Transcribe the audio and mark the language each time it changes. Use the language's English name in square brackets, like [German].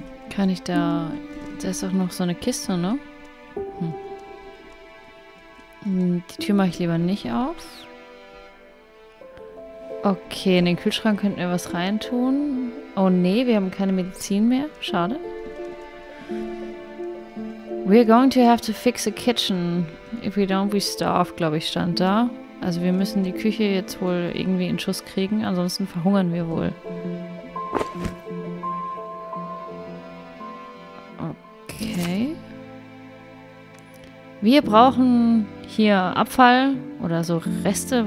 [German] Kann ich da... Da ist doch noch so eine Kiste, ne? Die Tür mache ich lieber nicht auf. Okay, in den Kühlschrank könnten wir was reintun. Oh nee, wir haben keine Medizin mehr. Schade. [English] We're going to have to fix a kitchen. If we don't, we starve, [German] glaube ich, stand da. Also wir müssen die Küche jetzt wohl irgendwie in Schuss kriegen, ansonsten verhungern wir wohl. Okay. Wir brauchen hier Abfall oder so Reste.